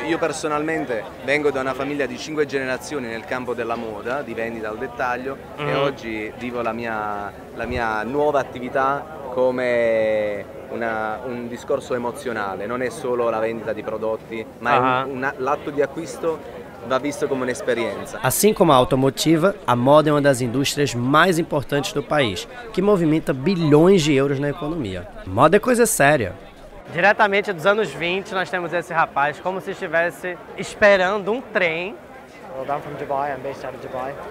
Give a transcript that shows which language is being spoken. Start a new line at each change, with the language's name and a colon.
Italian: Io personalmente vengo da una famiglia di 5 generazioni nel campo della moda, di vendita al dettaglio, e oggi vivo la mia nuova attività come un discorso emozionale. Non è solo la vendita di prodotti, ma l'atto di acquisto va visto come un'esperienza.
Portuguese: Assim como a automotiva, a moda é uma das indústrias mais importantes do país, que movimenta bilhões de euros na economia. Moda é coisa séria. Diretamente dos anos 20, nós temos esse rapaz como se estivesse esperando um trem.
English: Well, I'm from Dubai, I'm based out of Dubai.